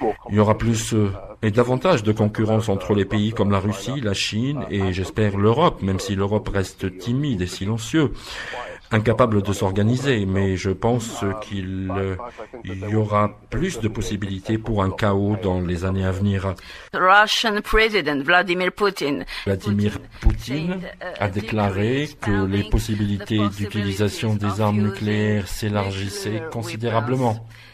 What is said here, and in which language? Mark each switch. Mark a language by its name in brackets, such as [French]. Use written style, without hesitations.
[French] Il y aura plus et davantage de concurrence entre les pays comme la Russie, la Chine et j'espère l'Europe, même si l'Europe reste timide et silencieuse, incapable de s'organiser, mais je pense qu'il y aura plus de possibilités pour un chaos dans les années à venir. [English] Russian President Vladimir Putin. [French] Vladimir Poutine a déclaré que les possibilités d'utilisation des armes nucléaires s'élargissaient considérablement.